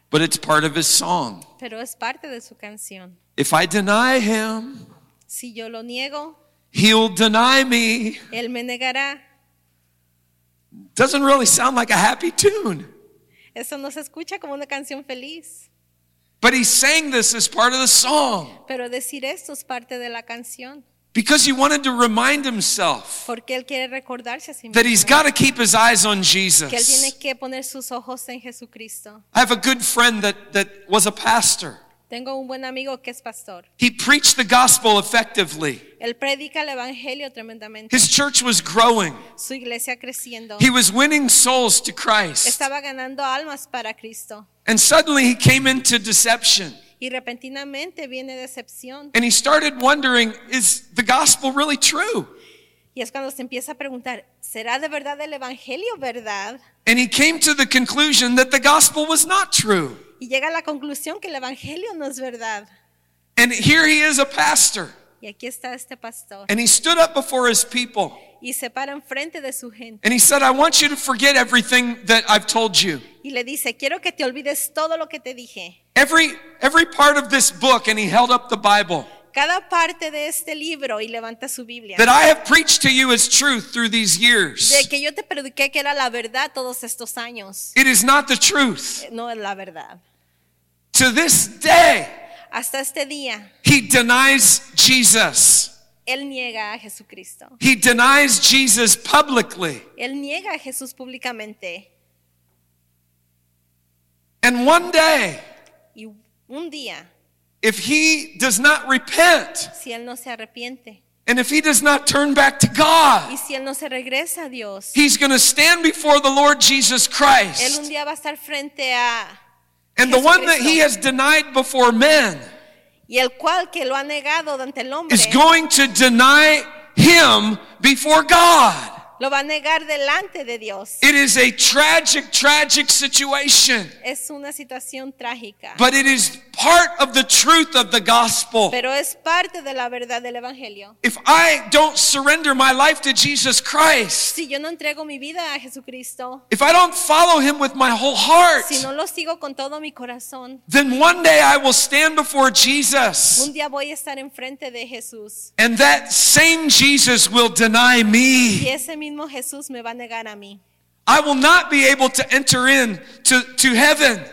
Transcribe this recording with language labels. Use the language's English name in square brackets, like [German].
[English] But it's part of his song. [Spanish] Pero es parte de su canción. [English] If I deny him, [Spanish] si yo lo niego, [English] he'll deny me. [Spanish] Él me negará. [English] Doesn't really sound like a happy tune. [Spanish] Eso no se escucha como una canción feliz. [English] But he sang this as part of the song. [Spanish] Pero decir esto es parte de la canción. [English] Because he wanted to remind himself, [Spanish] porque él quiere recordarse a sí mismo, [English] that he's got to keep his eyes on Jesus. [Spanish] Que él tiene que poner sus ojos en Jesucristo. [English] I have a good friend that was a pastor. [Spanish] Tengo un buen amigo que es pastor. [English] He preached the gospel effectively. [Spanish] Él predica el evangelio tremendamente. [English] His church was growing. [Spanish] Su iglesia creciendo. [English] He was winning souls to Christ. [Spanish] Estaba ganando almas para Cristo. [English] And suddenly he came into deception. [Spanish] Y repentinamente viene decepción. [English] And he started wondering, is the gospel really true? [Spanish] Y es cuando se empieza a preguntar, ¿será de verdad el evangelio verdad? [English] And he came to the conclusion that the gospel was not true. [Spanish] Y llega a la conclusión que el evangelio no es verdad. [English] And here he is a pastor. [Spanish] Y aquí está este pastor. [English] And he stood up before his people. [Spanish] Y se para enfrente de su gente. [English] And he said, I want you to forget everything that I've told you. [Spanish] Y le dice, quiero que te olvides todo lo que te dije. [English] Every part of this book, and he held up the Bible. [Spanish] Cada parte de este libro, y levanta su Biblia. [English] That I have preached to you as truth through these years. [Spanish] De que yo te prediqué que era la verdad todos estos años. [English] It is not the truth. [Spanish] No es la verdad. [English] To this day, [Spanish] hasta este día, [English] he denies Jesus. [Spanish] Él niega a Jesucristo. [English] He denies Jesus publicly. [Spanish] Él niega a Jesús públicamente. [English] And one day, [Spanish] y un día, [English] if he does not repent, [Spanish] si él no se arrepiente, [English] and if he does not turn back to God, [Spanish] y si él no se regresa a Dios, [English] he's going to stand before the Lord Jesus Christ. [Spanish] Él un día va a estar frente a [English] and [Spanish] Jesucristo. [English] The one that he has denied before men, [Spanish] y el cual que lo ha negado ante el hombre, [English] is going to deny him before God. [Spanish] Lo va a negar delante de Dios. [English] It is a tragic, tragic situation. [Spanish] Es una situación trágica. [English] But it is part of the truth of the gospel. [Spanish] Pero es parte de la verdad del evangelio. [English] If I don't surrender my life to Jesus Christ, [Spanish] si yo no entrego mi vida a Jesucristo, [English] if I don't follow him with my whole heart, [Spanish] si no lo sigo con todo mi corazón, [English] then one day I will stand before Jesus. [Spanish] Un día voy a estar enfrente de Jesús. [English] And that same Jesus will deny me. [Spanish] Y ese mismo Jesús me va a negar a mí. [English] I will not be able to enter in to heaven.